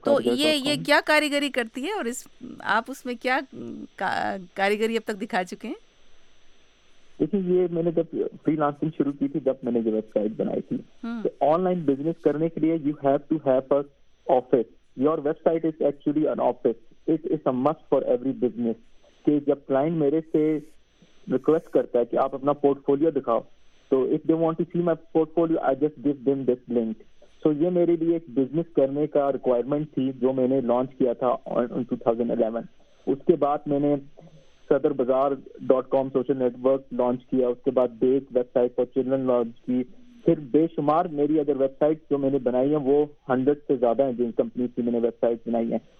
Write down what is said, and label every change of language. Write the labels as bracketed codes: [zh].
[hi] तो ये क्या कारीगरी करती है और इस आप उसमें क्या कारीगरी अब तक दिखा चुके हैं? देखिए, ये मैंने जब फ्रीलांसिंग शुरू की थी, जब मैंने ये वेबसाइट बनाई थी, तो ऑनलाइन बिजनेस करने के लिए [en] You have to have a office. Your website is actually an office. It is a must for every business. [hi] कि जब क्लाइंट मेरे से रिक्वेस्ट करता है कि आप अपना पोर्टफोलियो दिखाओ, [en] so if they want to see my portfolio, I just give them this link. [hi] So ये मेरे लिए एक business करने का requirement थी जो मैंने launch किया था [en] in 2011. [hi] उसके बाद मैंने sadarbazaar.com social network launch किया, उसके बाद bake website for children launch की, फिर बेशुमार मेरी अदर websites जो मैंने बनाई हैं वो 100 से ज़्यादा हैं, जिन companies की मैंने websites बनाई हैं.